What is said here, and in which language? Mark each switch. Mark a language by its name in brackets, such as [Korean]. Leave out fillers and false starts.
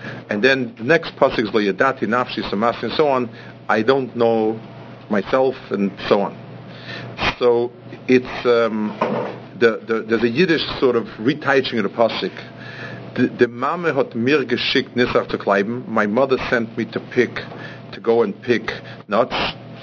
[English] And then the next pasuk is [Hebrew] Lo Yadati Nafshi Samasi, [English] and so on. I don't know myself, and so on. So it's there's a Yiddish sort of retouching of the pasuk. [Yiddish] The mame hot mir geschickt nisach zu kleiben. [English] My mother sent me to go and pick nuts.